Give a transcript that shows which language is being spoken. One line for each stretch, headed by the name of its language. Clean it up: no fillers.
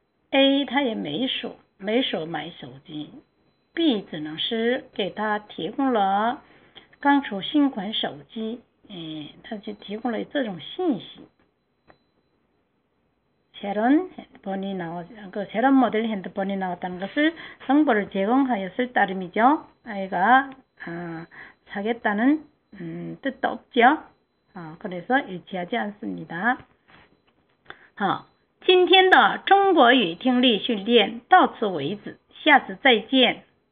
Chinese: A 他也没说买手机，B 只能是给他提供了刚出新款手机，他就提供了这种信息。
Korean: 새로운 모델 핸드폰이 나왔다는 것을 정보를 제공하였을 따름이죠. 아이가 사겠다는 뜻도 없죠. 그래서 일치하지 않습니다.
Chinese: 好，今天的中国语听力训练到此为止，下次再见。